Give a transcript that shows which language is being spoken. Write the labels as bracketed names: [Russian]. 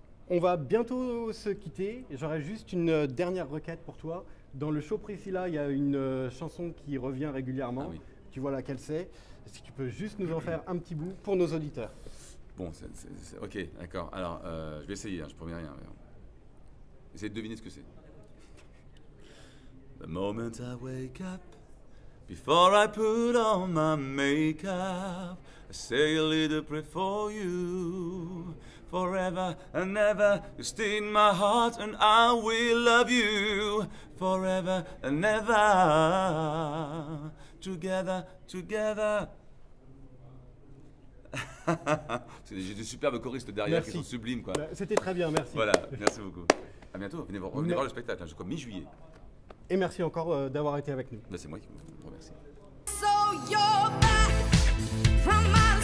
[French] On va bientôt se quitter. J'aurais juste une dernière requête pour toi. Dans le show Priscilla, il y a une chanson qui revient régulièrement. Ah oui. Tu vois laquelle c'est. Si tu peux juste nous en faire un petit bout pour nos auditeurs. Bon, c'est ok, d'accord. Alors, je vais essayer, hein, je promets rien. Essayez de deviner ce que c'est. [English] The moment I wake up, before I put on my makeup, I say a little prayer for you. Forever and ever, you stay in my heart and I will love you. Forever and ever, together, together. [French] J'ai des superbes choristes derrière, merci. Qui sont sublimes. Quoi. C'était très bien, merci. Voilà, merci beaucoup. À bientôt, venez voir le spectacle, je crois mi-juillet. Et merci encore d'avoir été avec nous. Ben, c'est moi qui vous remercie. [English] So you're back from my